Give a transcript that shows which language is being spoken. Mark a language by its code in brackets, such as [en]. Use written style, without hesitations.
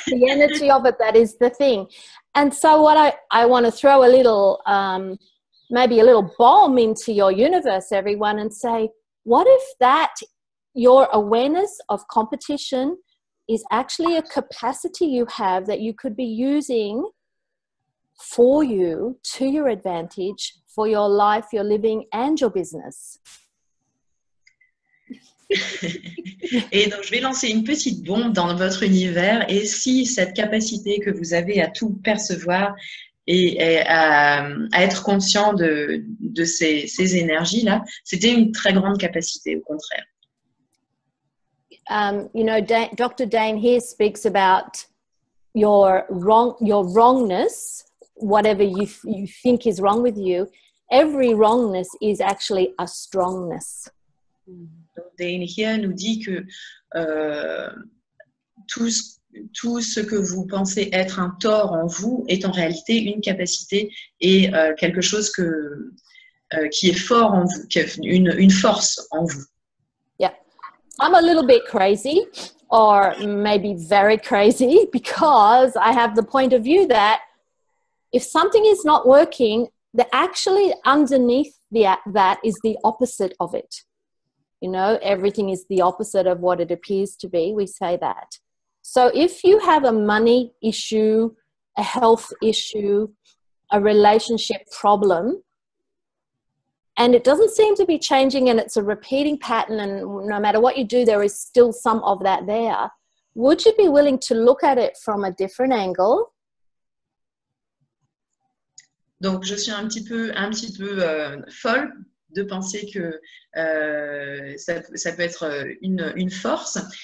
[en] The energy of it, that is the thing. And so what I want to throw a little, maybe a little bomb into your universe, everyone, and say, what if that your awareness of competition is actually a capacity you have that you could be using for you, to your advantage, for your life, your living, and your business? [fr] Et donc je vais lancer une petite bombe dans votre univers. Et si cette capacité que vous avez à tout percevoir et à être conscient de ces énergies là, c'était une très grande capacité au contraire. [en] You know, Dr. Dane here speaks about your wrongness, whatever you think is wrong with you. Every wrongness is actually a strongness. [fr] Dane here nous dit que tout ce que vous pensez être un tort en vous est en réalité une capacité et quelque chose qui est fort en vous, une force en vous. [en] Yeah, I'm a little bit crazy, or maybe very crazy, because I have the point of view that if something is not working, that actually underneath that is the opposite of it. You know, everything is the opposite of what it appears to be. We say that. So if you have a money issue, a health issue, a relationship problem, and it doesn't seem to be changing and it's a repeating pattern and no matter what you do, there is still some of that there, would you be willing to look at it from a different angle? [fr] Donc, je suis un petit peu folle de penser que ça peut être une force.